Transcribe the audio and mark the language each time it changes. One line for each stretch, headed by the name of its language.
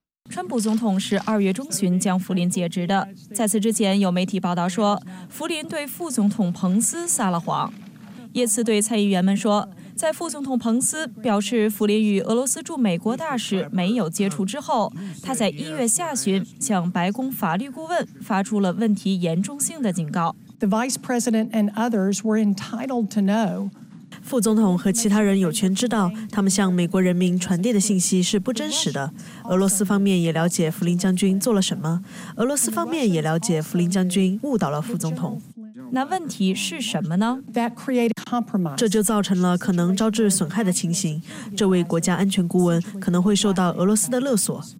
Chinese: 川普总统是二月中旬将弗林解职的，在此之前有媒体报道说弗林对副总统彭斯撒了谎。耶茨对参议员们说，在副总统彭斯表示弗林与俄罗斯驻美国大使没有接触之后，他在一月下旬向白宫法律顾问发出了问题严重性的警告。
English: The Vice President and others were entitled to know.
Chinese: 副总统和其他人有权知道他们向美国人民传递的信息是不真实的。俄罗斯方面也了解弗林将军做了什么，俄罗斯方面也了解弗林将军误导了副总统。那问题是什么呢？这就造成了可能招致损害的情形，这位国家安全顾问可能会受到俄罗斯的勒索。